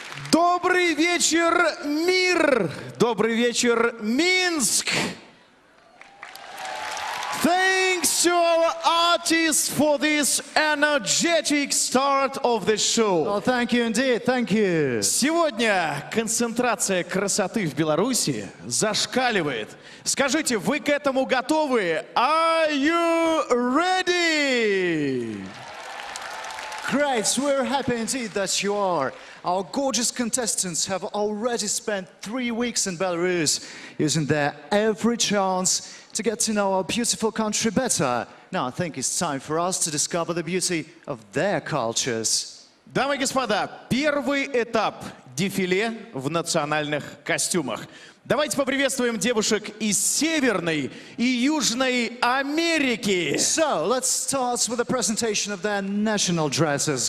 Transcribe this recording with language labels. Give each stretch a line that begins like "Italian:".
Russian: Добрый вечер, мир! Добрый вечер, Минск!
English: Thanks to our artists for this energetic start of the show. Well, thank you indeed, thank you.
Russian: Сегодня концентрация красоты в Беларуси зашкаливает. Скажите, вы к этому готовы?
English: Are you ready? Great, we're happy indeed that you are. Our gorgeous contestants have already spent 3 weeks in Belarus, using their every chance to get to know our beautiful country better. Now I think it's time for us to discover the beauty of their cultures.
Russian: Дамы и господа, первый этап дефиле в национальных костюмах. Давайте поприветствуем девушек из Северной и Южной Америки.
English: So, let's start with the presentation of their national dresses.